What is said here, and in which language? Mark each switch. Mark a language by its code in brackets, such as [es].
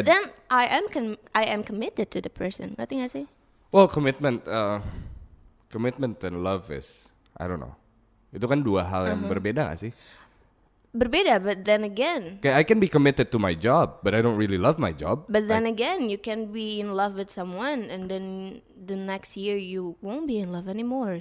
[en] But then I am committed to the person. [id] Nanti nggak sih? [en] Well, commitment and love is, I don't know. [id] Itu kan dua hal, uh-huh, yang berbeda gak sih? Berbeda, [en] but then again. Okay, I can be committed to my job, but I don't really love my job. But then again, you can be in love with someone and then the next year you won't be in love anymore.